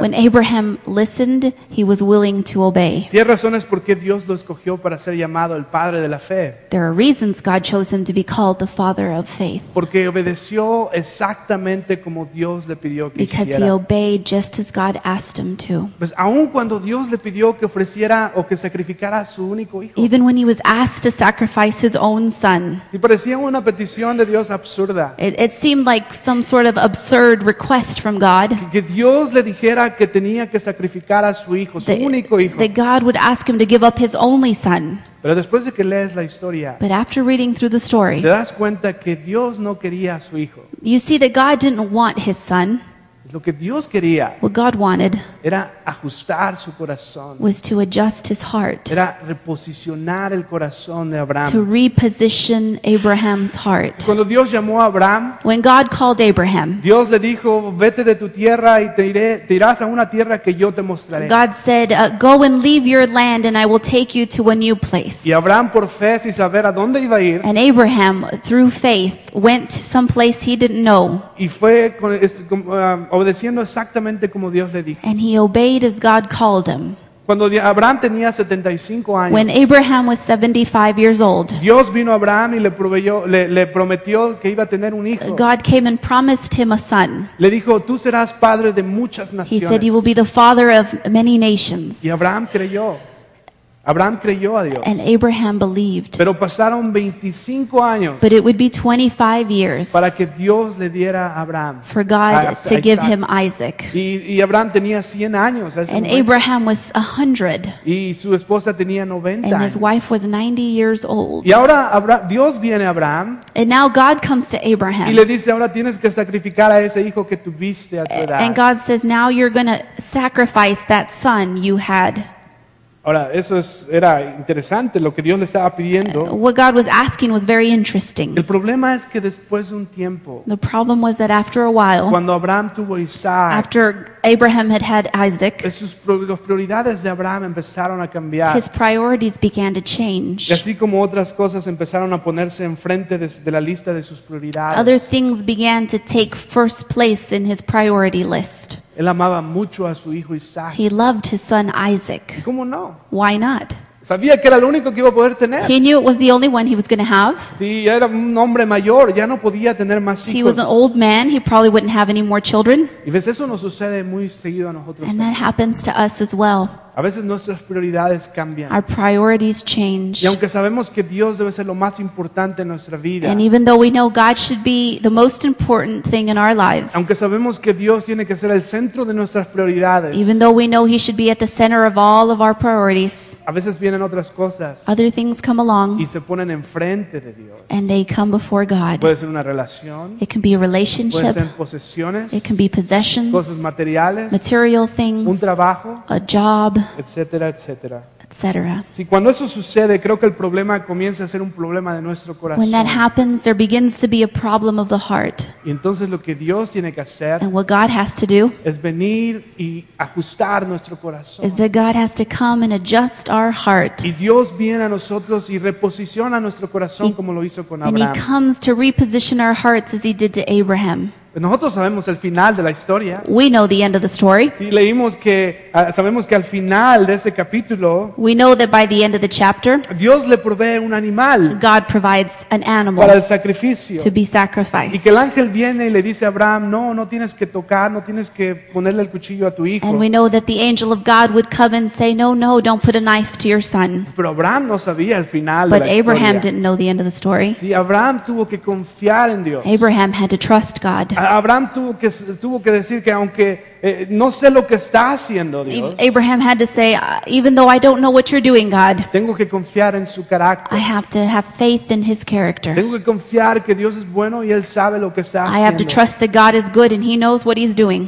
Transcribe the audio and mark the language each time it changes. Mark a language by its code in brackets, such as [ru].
[en] When Abraham listened, he was willing to obey. [es] Si hay razones por qué Dios lo escogió para ser llamado el padre de la fe. [en] There are reasons God chose him to be called the father of faith. [es] Porque obedeció exactamente como Dios le pidió que [en] because [es] hiciera. [en] Because he obeyed just as God asked him to. [es] Pues aun cuando Dios le pidió que ofreciera o que sacrificara a su único hijo. [en] Even when he was asked to sacrifice his own son. [es] Si parecía una petición de Dios absurda. [en] It seemed like some sort of absurd request from God. [es] Que Dios le dijera que tenía que sacrificar a su hijo, su único hijo. [en] That God would ask him to give up his only son. [es] Pero después de que lees la historia, [en] but after reading through the story, [es] te das cuenta que Dios no quería a su hijo. [en] You see that God didn't want his son. [es] Lo que Dios quería, [en] what God wanted, [es] era ajustar su corazón, [en] was to adjust his heart, [es] era reposicionar el corazón de Abraham, [en] to reposition Abraham's heart. [es] Cuando Dios llamó a Abraham, [en] when God called Abraham, [es] Dios le dijo, vete de tu tierra y te irás a una tierra que yo te mostraré. [en] God said, go and leave your land and I will take you to a new place. [es] Y Abraham, por fe, sin saber a dónde iba a ir, [en] and Abraham, through faith, went to some place he didn't know. [es] Y fue con obedeciendo exactamente como Dios le dijo. [en] And he obeyed as God called him. [es] Cuando Abraham tenía 75 años, [en] when Abraham was 75 years old, [es] Dios vino a Abraham y le prometió que iba a tener un hijo. [en] God came and promised him a son. [es] Le dijo, tú serás padre de muchas naciones. [en] He said, you will be the father of many nations. [es] Y Abraham creyó. Abraham creyó a Dios. [en] And Abraham believed. [es] Pero pasaron 25 años. [en] But it would be 25 years. [es] Para que Dios le diera a Abraham. [en] For God to give him Isaac. [es] Y Abraham tenía 100 años. [en] And momento. Abraham was 100. [es] Y su esposa tenía 90. [en] And his wife was 90 years old. [es] Y ahora Dios viene a Abraham. [en] And now God comes to Abraham. [es] Y le dice, ahora tienes que sacrificar a ese hijo que tuviste a tu edad. [en] And God says, now you're going to sacrifice that son you had. [es] Ahora, eso era interesante lo que Dios le estaba pidiendo. [en] What God was asking was very interesting. [es] El problema es que después de un tiempo, [en] the problem was that after a while, [es] cuando Abraham tuvo Isaac, [en] after Abraham had had Isaac, [es] sus prioridades de Abraham empezaron a cambiar. [en] His priorities began to change. [es] Y así como otras cosas empezaron a ponerse enfrente de la lista de sus prioridades. [en] Other things began to take first place in his priority list. [es] Él amaba mucho a su hijo Isaac. [en] He loved his son Isaac. [es] ¿Cómo no? [en] Why not? [es] Sabía que era el único que iba a poder tener. [en] He knew it was the only one he was going to have. [es] Sí, era un hombre mayor, ya no podía tener más hijos. [en] He was an old man, he probably wouldn't have any more children. [es] Y ves, eso nos sucede muy seguido a nosotros. [en] And that happens to us as well. [es] A veces nuestras prioridades cambian. [en] Our priorities change. [es] Y aunque sabemos que Dios debe ser lo más importante en nuestra vida. [en] And even though we know God should be the most important thing in our lives. [es] Aunque sabemos que Dios tiene que ser el centro de nuestras prioridades. [en] Even though we know he should be at the center of all of our priorities. [es] A veces vienen otras cosas. [en] Other things come along. [es] Y se ponen enfrente de Dios. [en] And they come before God. [es] Puede ser una relación. [en] It can be a relationship. [es] Puede ser posesiones. [en] It can be possessions. [es] Cosas materiales. [en] Material things. [es] Un trabajo. [en] A job. [es] Etcétera, etcétera. [en] etc. [es] Si cuando eso sucede, creo que el problema comienza a ser un problema de nuestro corazón. [en] When that happens, there begins to be a problem of the heart. [es] Y entonces lo que Dios tiene que hacer, [en] and what God has to do, [es] es venir y ajustar nuestro corazón. [en] Is that God has to come and adjust our heart. [es] Y Dios viene a nosotros y reposiciona nuestro corazón como lo hizo con Abraham. [en] And He comes to reposition our hearts as He did to Abraham. [es] Nosotros sabemos el final de la historia. [en] We know the end of the story. [es] Sí, leímos que sabemos que al final de ese capítulo, [en] we know that by the end of the chapter, [es] Dios le provee un animal. [en] God provides an animal [es] para el sacrificio. [en] To be sacrificed. [es] Y que el ángel viene y le dice a Abraham, "No, no tienes que tocar, no tienes que ponerle el cuchillo a tu hijo." [en] And we know that the angel of God would come and say, "No, no, don't put a knife to your son." [es] Pero Abraham no sabía el final [en] but [es] de la [en] Abraham [es] historia. [en] Didn't know the end of the story. [es] Sí, Abraham tuvo que confiar en Dios. [en] Abraham had to trust God. [es] Abraham tuvo que decir que aunque no sé lo que está haciendo Dios. [en] Abraham had to say, even though I don't know what you're doing, God. [es] Tengo que confiar en su carácter. [en] I have to have faith in His character. [es] Tengo que confiar que Dios es bueno y él sabe lo que está haciendo. [en] I have to trust that God is good and He knows what He's doing.